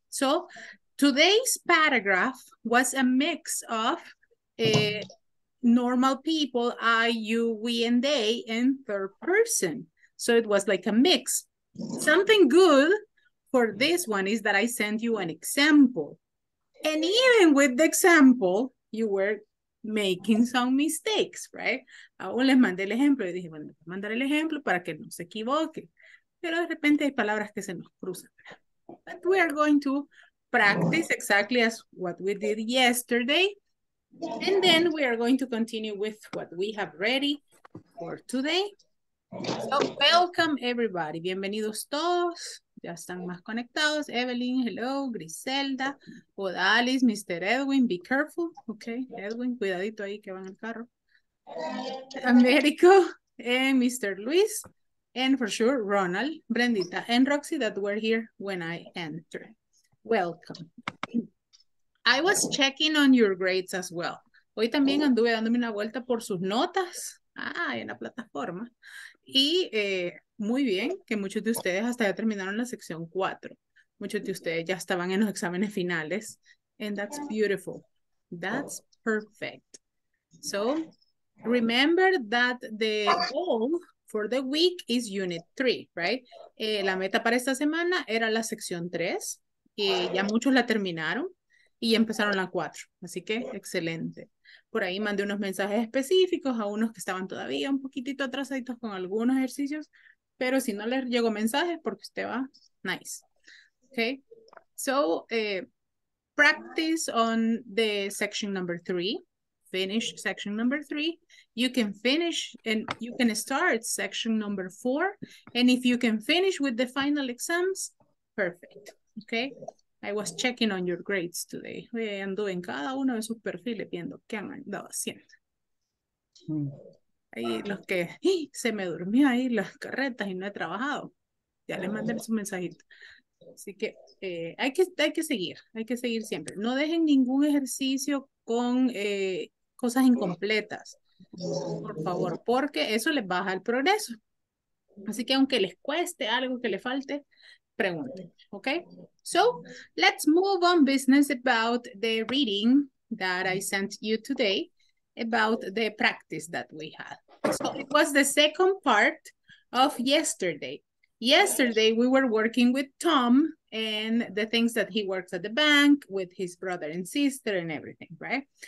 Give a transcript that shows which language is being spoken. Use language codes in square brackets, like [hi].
[en] So today's paragraph was a mix of normal people, I, you, we, and they, and third person. So it was like a mix. Something good for this one is that I sent you an example. And even with the example, you were making some mistakes, right? [es] Aún les mandé el ejemplo y dije, bueno, voy a mandar el ejemplo para que no se equivoque. Pero de repente hay palabras que se nos cruzan. [en] But we are going to practice exactly as what we did yesterday. And then we are going to continue with what we have ready for today. So welcome everybody. [es] Bienvenidos todos. Ya están más conectados. Evelyn, hello. Griselda, Odalis, Mr. [en] Edwin, be careful. [es] Okay, Edwin, cuidadito ahí que va en el carro. [en] Américo, and Mr. Luis, and for sure, Ronald, Brendita, and Roxy that were here when I entered. Welcome. I was checking on your grades as well. [es] Hoy también anduve dándome una vuelta por sus notas. En la plataforma. Y muy bien, que muchos de ustedes hasta ya terminaron la sección 4. Muchos de ustedes ya estaban en los exámenes finales. [en] And that's beautiful. That's perfect. So, remember that the goal for the week is unit 3, right? [es] La meta para esta semana era la sección 3. Y ya muchos la terminaron y empezaron la 4. Así que, excelente. Por ahí mandé unos mensajes específicos a unos que estaban todavía un poquitito atrasaditos con algunos ejercicios. Pero si no les llegó mensajes, porque usted va, nice. [en] Okay. So, practice on the section number 3. Finish section number 3. You can finish and you can start section number 4. And if you can finish with the final exams, perfect. Okay. I was checking on your grades today. [es] Ando en cada uno de sus perfiles viendo qué han andado haciendo. Ahí los que se me durmió ahí las carretas y no he trabajado. Ya les mandé su mensajito. Así que hay que seguir siempre. No dejen ningún ejercicio con cosas incompletas, por favor, porque eso les baja el progreso. Así que aunque les cueste algo que le falte, pregunten, okay? [en] So, let's move on business about the reading that I sent you today about the practice that we had. So, it was the second part of yesterday. Yesterday, we were working with Tom and the things that he works at the bank with his brother and sister and everything, right?